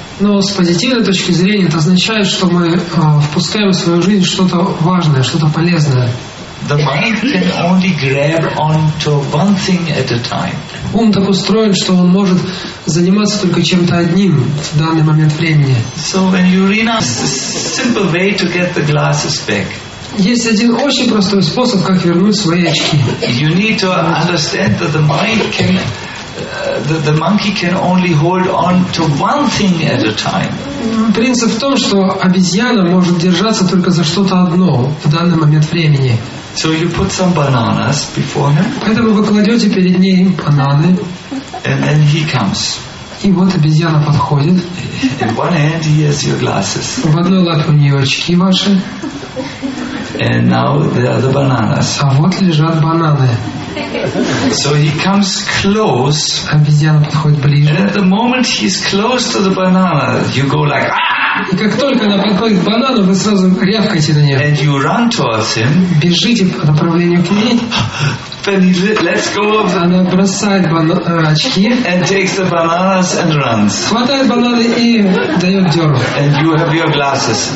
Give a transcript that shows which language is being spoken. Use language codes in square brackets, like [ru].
[ru] Но с позитивной точки зрения это означает, что мы впускаем в свою жизнь что-то важное, что-то полезное. [en] The mind can only grab onto one thing at a time. [ru] Ум так устроен, что он может заниматься только чем-то одним в данный момент времени. [en] So when you renounce, the simple way to get the glasses back. [ru] Есть один очень простой способ, как вернуть свои очки. [en] You need to understand that the mind can, the monkey can only hold on to one thing at a time. [ru] Принцип в том, что обезьяна может держаться только за что-то одно в данный момент времени. [en] So you put some bananas before him. [ru] Поэтому вы кладете перед ним бананы. [en] And then he comes. [ru] И вот обезьяна подходит. [en] In one hand he has your glasses. [ru] В одной лапе у нее очки ваши. [en] And now the other bananas. [ru] А вот лежат бананы. [en] So he comes close. [ru] Обезьяна подходит ближе. [en] And at the moment he's close to the banana, you go like. [ru] И как только она подходит к банану, вы сразу рявкаете на нее. [en] And you run towards him. [ru] Бежите по направлению к ней. [en] Then he lets go of the... [ru] Она бросает очки. [en] And takes the bananas and runs. [ru] Хватает бананы и дает дёру. [en] And you have your glasses.